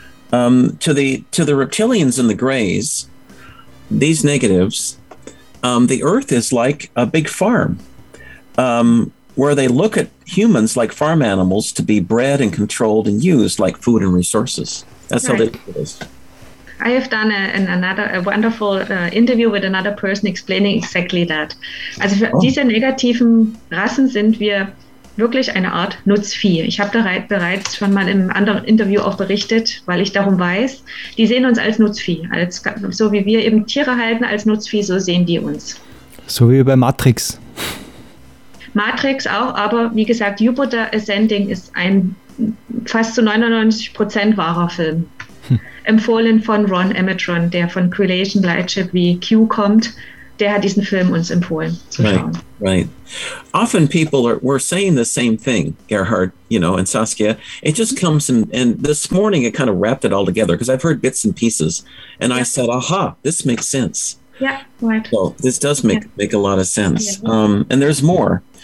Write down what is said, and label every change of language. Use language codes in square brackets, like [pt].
[en] To the reptilians and the Greys, these negatives, the Earth is like a big farm, where they look at humans like farm animals to be bred and controlled and used like food and resources. That's right. How they do this. I have done a wonderful interview with another person explaining exactly that. [de] Also für diese negativen Rassen sind wir wirklich eine Art Nutzvieh. Ich habe bereits schon mal im anderen Interview auch berichtet, weil ich darum weiß, die sehen uns als Nutzvieh. So wie wir eben Tiere halten als Nutzvieh, so sehen die uns. So wie bei Matrix. Matrix auch, aber wie gesagt, Jupiter Ascending ist ein fast zu 99% wahrer Film. Empfohlen von Ron Emmetron, der von Creation Lightship wie Q kommt. Der hat diesen Film uns empfohlen zu schauen. [en] Right. Often people were saying the same thing, Gerhard, you know, and Saskia. It just comes and this morning it kind of wrapped it all together because I've heard bits and pieces and I said, aha, this makes sense. Yeah, right. So this does make a lot of sense. Yeah. And there's more.